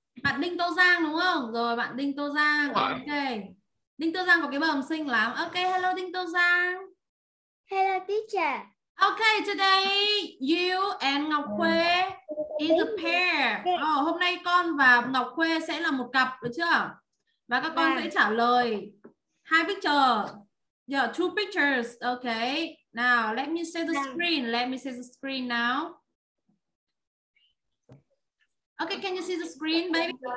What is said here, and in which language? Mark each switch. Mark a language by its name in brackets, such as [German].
[Vietnamese] Bạn Đinh Tô Giang đúng không? Rồi bạn Đinh Tô Giang. Ok. Đinh Tô Giang có cái bờm xinh lắm. [English] Ok, hello Đinh Tô Giang. Hello teacher. Ok, today you and Ngọc Khuê is a pair. [Vietnamese] Hôm nay con và Ngọc Khuê sẽ là một cặp được chưa? Và các con sẽ trả lời hai picture. [English] Yeah, two pictures. Okay. Now, let me see the screen. Let me see the screen now. Okay, can you see the screen, baby?